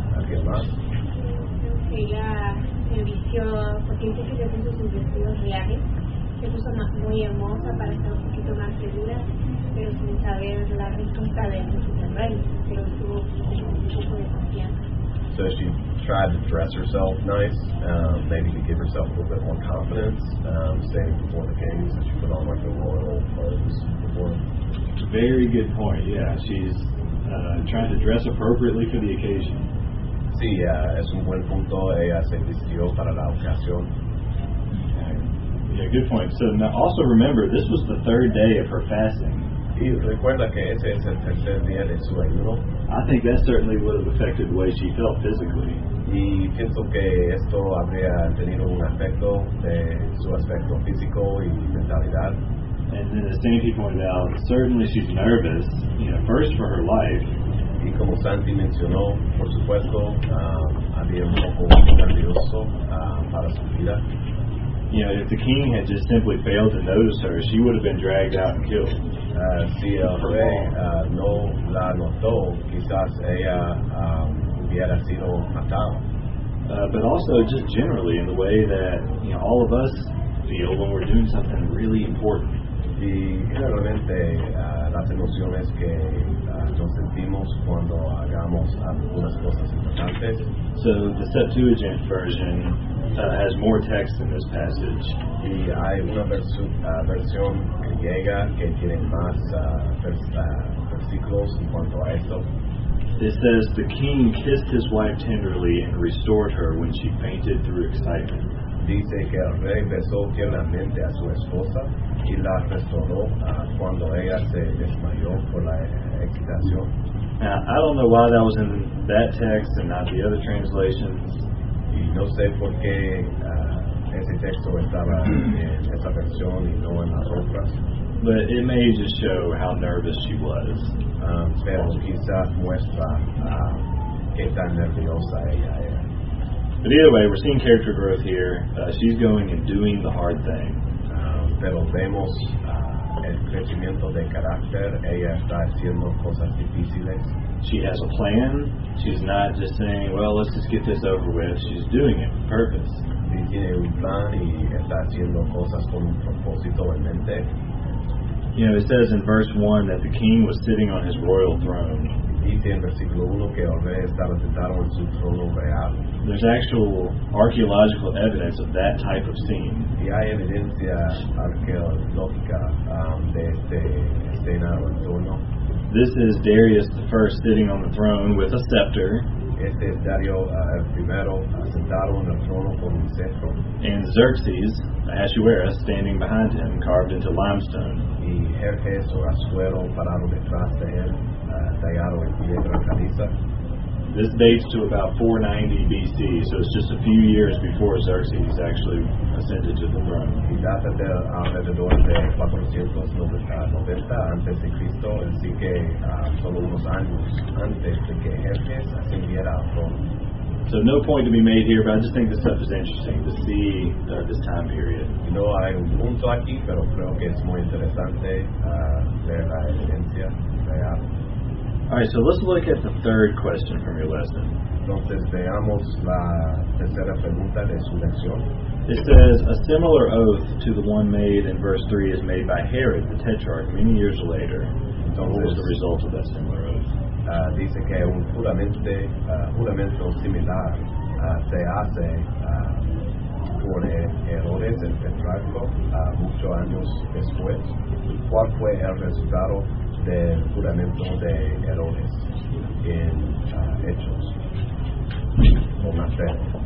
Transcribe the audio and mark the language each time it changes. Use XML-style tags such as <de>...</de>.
<es>¿Alguien más? Ella se vistió, porque dice que ya tiene sus vestidos reales, se puso muy hermosa para estar un poquito más segura, pero sin saber la respuesta de Jesús Rey, pero tuvo un poco de confianza.</es> <en>So she tried to dress herself nice, maybe to give herself a little bit more confidence, staying before the king, so she put on like the royal clothes before. Very good point, yeah. She's trying to dress appropriately for the occasion.</en> <es>Sí, es un buen punto. Ella se vistió para la ocasión.</es> <en>Yeah, good point. So now also remember, this was the third day of her fasting.</en> <es>Y recuerda que ese es el tercer día de su ayuno.</es> <en>I think that certainly would have affected the way she felt physically.</en> <es>Y pienso que esto habría tenido un efecto de su aspecto físico y mentalidad.</es> <en>And then as Santi pointed out, certainly she's nervous, you know, first for her life.</en> <es>Y como Santi mencionó, por supuesto, había un poco nervioso para su vida.</es> <en>You know, if the king had just simply failed to notice her, she would have been dragged out and killed.</en> <es>Si el rey no la notó, quizás ella hubiera sido matada.</es> <en>But also, just generally, in the way that, you know, all of us feel when we're doing something really important.</en> <es>Y generalmente, las emociones que nos sentimos cuando hagamos algunas cosas importantes.</es> <en>So the Septuagint version has more text in this passage.</en> <es>Y hay una versión griega que tiene más versículos en cuanto a esto.</es> <en>It says, the king kissed his wife tenderly and restored her when she fainted through excitement.</en> <es>Dice que el rey besó tiernamente a su esposa y la restauró cuando ella se desmayó por la excitación.</es> <en>Now, I don't know why that was in that text and not the other translations.</en> <es>Y no sé por qué ese texto estaba en esa versión y no en las otras.</es> <en>But it may just show how nervous she was.</en> <es>Pero quizás muestra qué tan nerviosa ella era.</es> <en>But either way, we're seeing character growth here. She's going and doing the hard thing.</en> <es>Pero vemos el crecimiento de carácter. Ella está haciendo cosas difíciles.</es> <en>She has a plan. She's not just saying, well, let's just get this over with. She's doing it with purpose.</en> <es>Y tiene un plan y está haciendo cosas con un propósito en mente.</es> <en>You know, it says in verse 1 that the king was sitting on his royal throne.</en> <es>Dice en versículo 1 que el rey estaba sentado en su trono real.</es> <en>There's actual archaeological evidence of that type of scene.</en> <es>Y hay evidencia arqueológica de este escena o trono.</es> <en>This is Darius the First sitting on the throne with a scepter.</en> <es>Este es Darío el primero sentado en el trono con un cetro.</es> <en>And Xerxes, Ahasuerus, standing behind him, carved into limestone.</en> <es>Y Jerjes o Asuero parado detrás de él, tallado en piedra caliza.</es> <en>This dates to about 490 BC, so it's just a few years before Xerxes actually ascended to the throne.</en> <es>Y data de alrededor de 490 antes de Cristo, así que solo unos años antes de que Jerjes ascendiera al trono.</es> <en>So no point to be made here, but I just think this stuff is interesting to see this time period.</en> <es>No hay un punto aquí, pero creo que es muy interesante ver la evidencia real.</es> <en>Alright, so let's look at the third question from your lesson.</en> <es>Entonces, veamos la tercera pregunta de su lección.</es> <en>It says, a similar oath to the one made in verse 3 is made by Herod the Tetrarch many years later.</en> <es>Entonces,</es> <en>what was the result of that similar oath?</en> <es>Dice que un juramento similar se hace por Herodes el Tetrarco muchos años después. ¿Cuál fue el resultado del juramento de Herodes en Hechos o Mateo?</es>